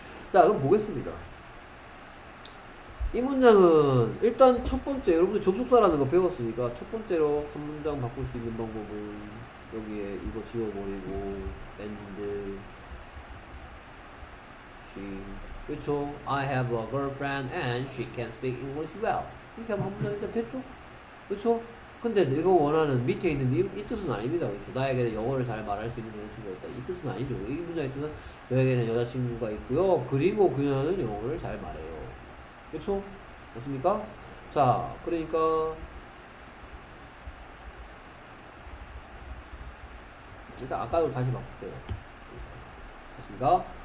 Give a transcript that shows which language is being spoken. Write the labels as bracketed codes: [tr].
[ko] 자, 그럼 보겠습니다. 이 문장은 일단 첫 번째, 여러분들 접속사라는 거 배웠으니까 첫 번째로 한 문장 바꿀 수 있는 방법은 여기에 이거 지워버리고 [en] and she [ko] 그렇죠. [en] I have a girlfriend and she can speak English well. [ko] 이렇게 하면 한 문장 일단 됐죠? 그렇죠? 근데 내가 원하는 밑에 있는 이 뜻은 아닙니다. 그렇죠? 나에게는 영어를 잘 말할 수 있는 여자친구가 있다. 이 뜻은 아니죠. 이 문장의 뜻은 저에게는 여자친구가 있고요. 그리고 그녀는 영어를 잘 말해요. 그렇죠? 맞습니까? 자, 그러니까 일단 아까도 다시 바꿀게요. 됐습니까?